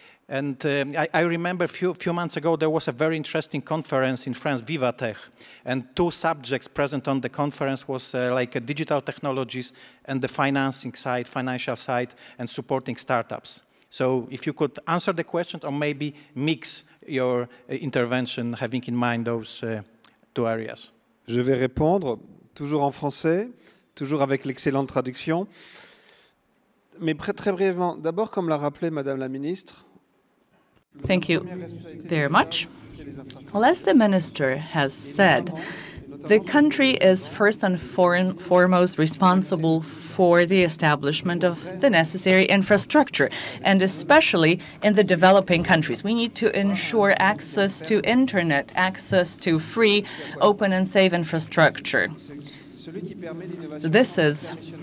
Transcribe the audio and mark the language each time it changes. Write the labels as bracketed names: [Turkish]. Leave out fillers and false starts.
[English] And I remember a few months ago, there was a very interesting conference in France, VivaTech, and two subjects present on the conference was like digital technologies and the financial side, and supporting startups. So if you could answer the question or maybe mix your intervention, having in mind those two areas. [French] Je vais répondre, toujours en français, toujours avec l'excellente traduction. Mais très brièvement, d'abord, comme l'a rappelé Madame la Ministre. [English] Thank you very much. Well, as the Minister has said, the country is first and foremost responsible for the establishment of the necessary infrastructure, and especially in the developing countries. We need to ensure access to internet, access to free, open and safe infrastructure. So this is